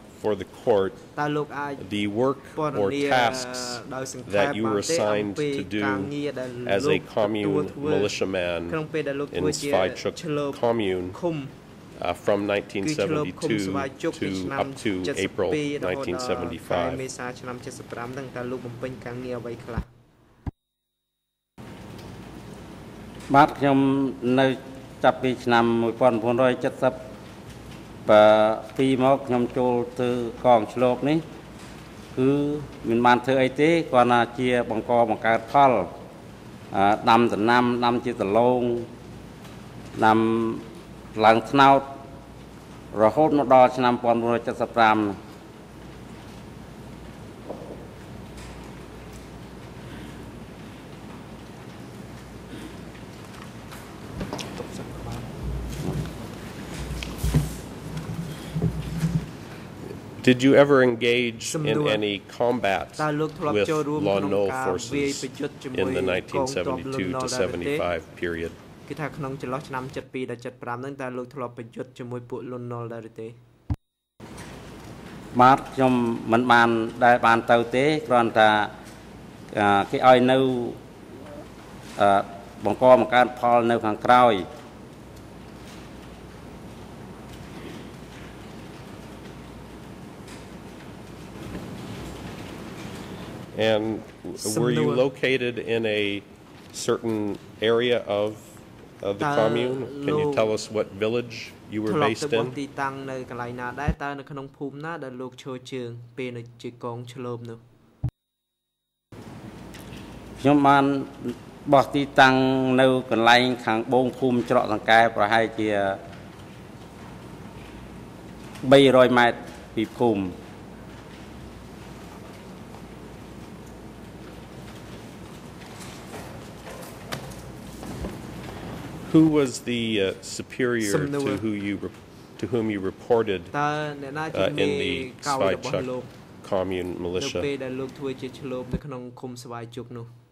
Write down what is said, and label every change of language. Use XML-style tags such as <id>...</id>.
<en>before the court the work or tasks that you were assigned to do as a commune militiaman in Svai Chuk commune from 1972 to up to April 1975.</en> <km>បាទខ្ញុំនៅចាប់ពីឆ្នាំ1972មកខ្ញុំចូលទៅកងឆ្លោកនេះគឺមិនបានធ្វើអីទេគ្រាន់តែជាបង្កបង្កើតផលដាំដំណាំដាំជាដំឡូងដាំឡើងថ្នោតរហូតមកដល់ឆ្នាំ1975.</km> <en>Did you ever engage in any combat with Lon Nol forces in the 1972-75 period?</en> <km>គេថាក្នុងចន្លោះឆ្នាំ72ដល់75ហ្នឹងតើលោកធ្លាប់ប្រយុទ្ធជាមួយពួកលន់នល់ដែរឬទេ បាទខ្ញុំមិនបានដែលបានទៅទេគ្រាន់តែគេឲ្យនៅបង្កមកកើតផលនៅខាងក្រោយ</km> <en>And were you located in a certain area ofthe commune? Can you tell us what village you were based in?</en> <km>ទីតាំងនៅកន្លែងណាដែរតើនៅក្នុងភូមិណាដែលលោកឈរជើងពេលនៅជាកងឆ្លោមនោះ ខ្ញុំបានបោះទីតាំងនៅកន្លែងខាងបងភូមិច្រកសង្កែប្រហែលជា300ម៉ែត្រពីភូមិ</km> <en>Who was the superior to whom you reported in the Svai Chuk commune militia?</en> <km>លោកដែលលោកធ្វើជាឆ្លោមនៅក្នុងឃុំស្វាយជុកនោះ</km>